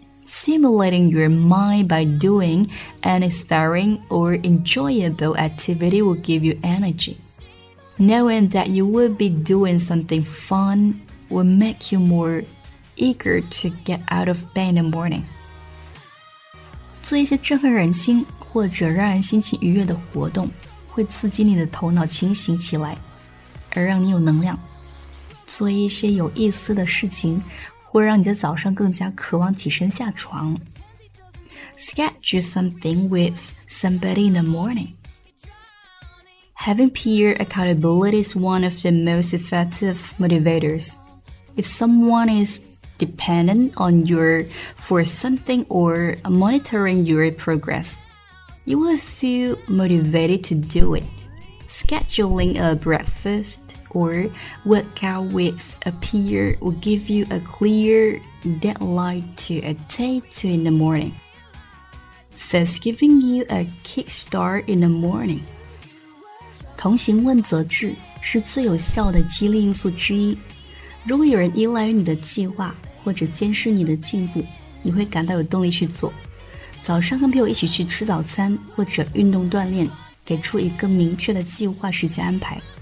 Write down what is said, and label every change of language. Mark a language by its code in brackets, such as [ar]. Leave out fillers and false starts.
[en] Stimulating your mind by doing an inspiring or enjoyable activity will give you energy. Knowing that you will be doing something fun will make you more eager to get out of bed in the morning. [zh] 做一些振奋人心或者让人心情愉悦的活动，会刺激你的头脑清醒起来，而让你有能量。做一些有意思的事情，会让你在早上更加渴望起身下床。 [en] Schedule something with somebody in the morning. Having peer accountability is one of the most effective motivators. If someone is dependent on you for something or monitoring your progress, you will feel motivated to do it. Scheduling a breakfast or workout with a peer will give you a clear deadline to attain to in the morning, thus giving you a kickstart in the morning. [zh] 同行问责制是最有效的激励因素之一。如果有人依赖于你的计划或者监视你的进步，你会感到有动力去做。早上跟朋友一起去吃早餐或者运动锻炼，给出一个明确的计划时间安排。